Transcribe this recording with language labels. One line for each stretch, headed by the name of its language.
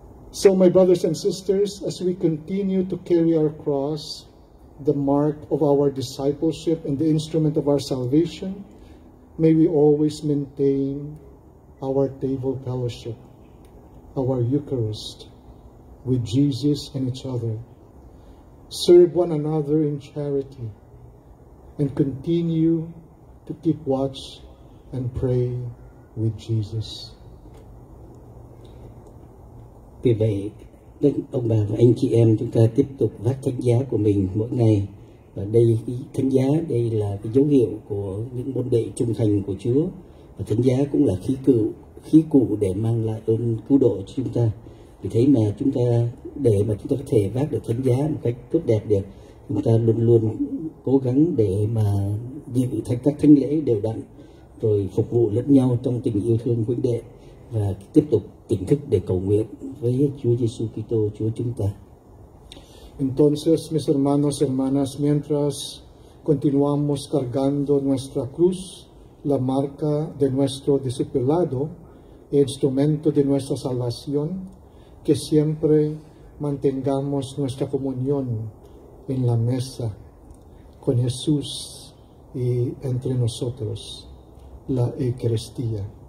English: So my brothers and sisters, as we continue to carry our cross, the mark of our discipleship and the instrument of our salvation, may we always maintain our table fellowship, our Eucharist, with Jesus and each other. Serve one another in charity and continue to keep watch and pray with Jesus.
Vietnamese: Vì vậy, ông bà và anh chị em chúng ta tiếp tục vác thánh giá của mình mỗi ngày. Và đây, thánh giá đây là cái dấu hiệu của những môn đệ trung thành của Chúa. Và thánh giá cũng là khí cụ để mang lại ơn cứu độ cho chúng ta. Vì thế mà chúng ta, để mà chúng ta có thể vác được thánh giá một cách tốt đẹp được, chúng ta luôn luôn cố gắng để mà giữ các thánh lễ đều đặn, rồi phục vụ lẫn nhau trong tình yêu thương huynh đệ và tiếp tục tỉnh thức để cầu nguyện với Chúa Giêsu Kitô Chúa chúng ta.
Spanish: Entonces, mis hermanos y hermanas, mientras continuamos cargando nuestra cruz, la marca de nuestro discipulado, instrumento de nuestra salvación, que siempre mantengamos nuestra comunión en la mesa con Jesús y entre nosotros, la Eucaristía.